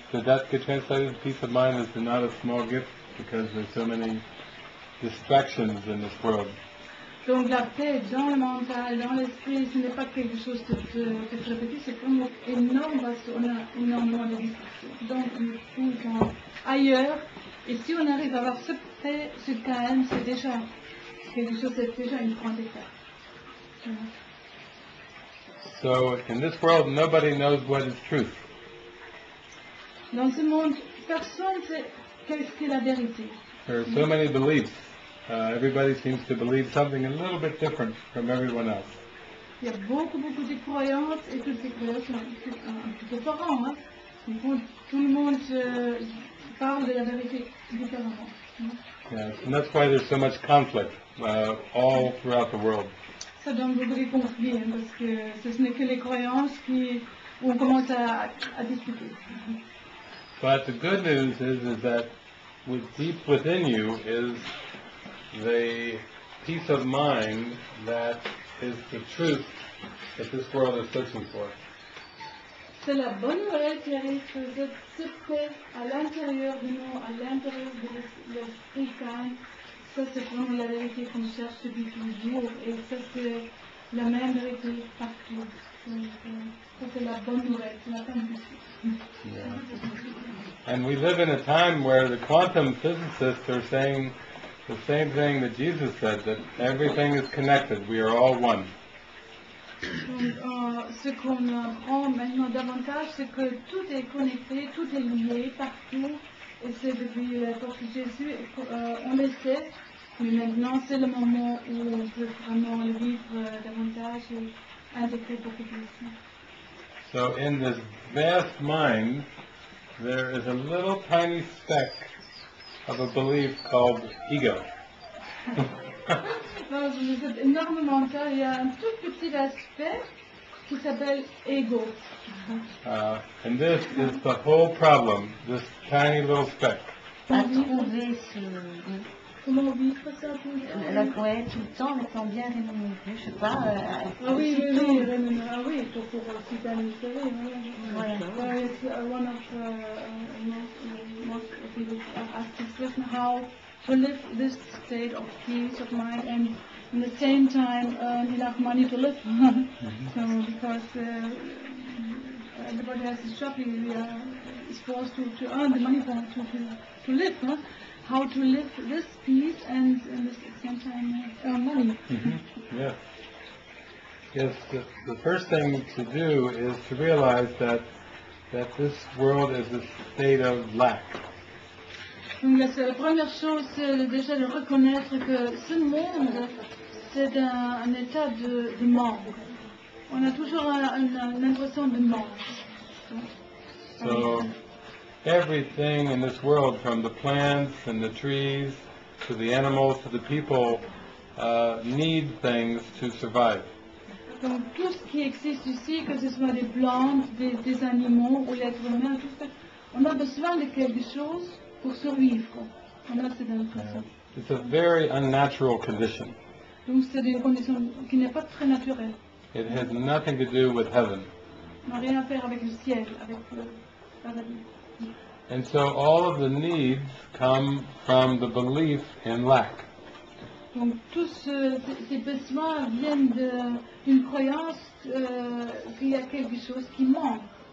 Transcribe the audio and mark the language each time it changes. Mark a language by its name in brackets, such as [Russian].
[English] So, that could translate into peace of mind is not a small gift because there's so many distractions in this world. [French] Donc la paix dans le mental, dans l'esprit, ce n'est pas quelque chose de très petit, c'est comme énorme parce qu'on a énormément de distractions. Donc on est tout le temps ailleurs. Et si on arrive à avoir ce paix, ce calme, c'est déjà quelque chose, c'est déjà une grande étape. [English] So in this world, nobody knows what is truth. [French] Dans ce monde, personne ne sait qu'est-ce que la vérité. [English] There are so many beliefs. Everybody seems to believe something a little bit different from everyone else. [French] Il y a beaucoup, beaucoup de croyances et toutes ces croyances sont un peu différentes. Hein? Donc, tout le monde parle de la vérité différemment. Hein? [English] Yes, and that's why there's so much conflict all throughout the world. [French] Ça donne beaucoup de conflits, hein, parce que ce n'est que les croyances qui on commence à discuter. [English] But the good news is that with deep within you is the peace of mind that is the truth that this world is searching for. [French] C'est la bonne nouvelle qui arrive de se paix à l'intérieur de nous, à l'intérieur de l'esprit calme. Ça, c'est vraiment la vérité qu'on cherche depuis toujours. Et ça, c'est la même vérité partout. Ça, c'est la bonne nouvelle. C'est la bonne nouvelle. [English] And we live in a time where the quantum physicists are saying the same thing that Jesus said, that everything is connected, we are all one. [French] Ce qu'on apprend maintenant davantage, c'est que tout est connecté, tout est lié partout, et c'est depuis la mort de Jésus, on le sait, mais maintenant c'est le moment où on peut vraiment le vivre davantage et intégrer beaucoup plus. [English] So in this vast mind, there is a little tiny speck of a belief called ego. [French] Dans cet énorme mental, il y a un tout petit aspect qui s'appelle ego. [English] And this is the whole problem, this tiny little speck. [French] Comment vivre ça pour la poète tout le temps, mais sans bien rémunérer, je ne sais pas. Ah oui, oui, oui, rémunérer, ah oui, pour aussi bien rémunérer. Oui, c'est un des plus difficiles de comment vivre ce état de paix de mon âme et en même temps, il y a assez d'argent pour vivre. Donc, parce que tout le monde a son shopping, il est forcé de gagner de l'argent pour vivre. [English] How to live this peace and at the same time money. Mm-hmm. Yeah. Yes, the first thing to do is to realize that this world is a state of lack. [French] Donc la première chose, c'est déjà de reconnaître que ce monde, c'est un état de manque. On a toujours une impression de manque. [English] So, everything in this world, from the plants and the trees to the animals to the people, need things to survive. [French] Donc tout ce qui existe ici, que ce soit des plantes, des animaux ou les êtres humains, tout ça, on a besoin de quelque chose pour survivre. On a cette impression. [English] It's a very unnatural condition. [French] Donc c'est une condition qui n'est pas très naturelle. [English] It has nothing to do with heaven. [French] N'a rien à faire avec le ciel, avec la vie. [English] And so all of the needs come from the belief in lack. [French] Donc tous ces besoins viennent d'une croyance qu'il y a quelque chose qui manque.